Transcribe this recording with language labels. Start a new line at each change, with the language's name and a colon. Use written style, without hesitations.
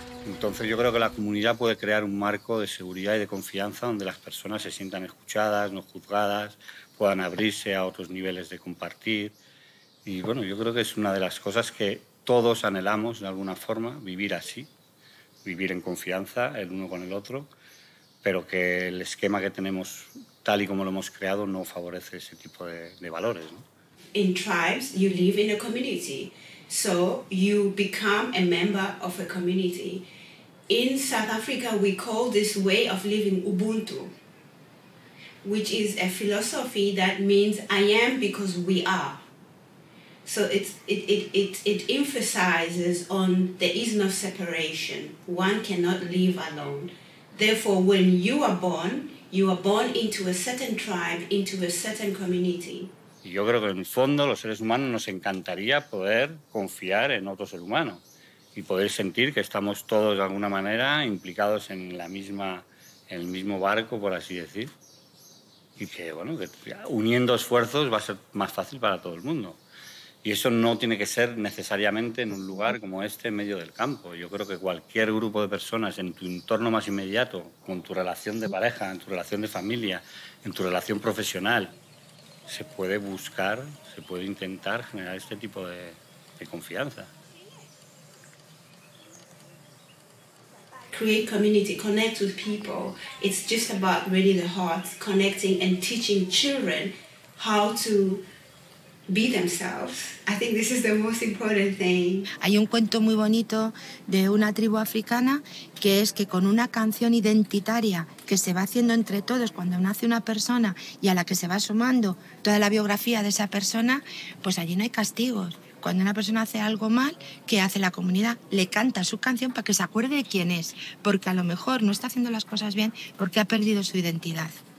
Spanish: Entonces yo creo que la comunidad puede crear un marco de seguridad y de confianza donde las personas se sientan escuchadas, no juzgadas, puedan abrirse a otros niveles de compartir. Y bueno, yo creo que es una de las cosas que todos anhelamos de alguna forma, vivir así, vivir en confianza el uno con el otro, pero que el esquema que tenemos tal y como lo hemos creado no favorece ese tipo de valores, ¿no?
English: In tribes, you live in a community, so you become a member of a community. In South Africa, we call this way of living Ubuntu, which is a philosophy that means I am because we are. So it emphasizes on there is no separation. One cannot live alone. Therefore, when you are born into a certain tribe, into a certain community.
Spanish: Yo creo que en el fondo los seres humanos nos encantaría poder confiar en otro ser humano y poder sentir que estamos todos de alguna manera implicados en la misma, en el mismo barco, por así decir. Y que, bueno, que uniendo esfuerzos va a ser más fácil para todo el mundo. Y eso no tiene que ser necesariamente en un lugar como este, en medio del campo. Yo creo que cualquier grupo de personas en tu entorno más inmediato, con tu relación de pareja, en tu relación de familia, en tu relación profesional, se puede buscar, se puede intentar generar este tipo de confianza.
English: Create community, connect with people. It's just about really the heart, connecting and teaching children how to be themselves. I think this is the most important thing.
Spanish: Hay un cuento muy bonito de una tribu africana que es que con una canción identitaria que se va haciendo entre todos cuando nace una persona y a la que se va sumando toda la biografía de esa persona, pues allí no hay castigos. Cuando una persona hace algo mal, ¿qué hace la comunidad? Le canta su canción para que se acuerde de quién es, porque a lo mejor no está haciendo las cosas bien porque ha perdido su identidad.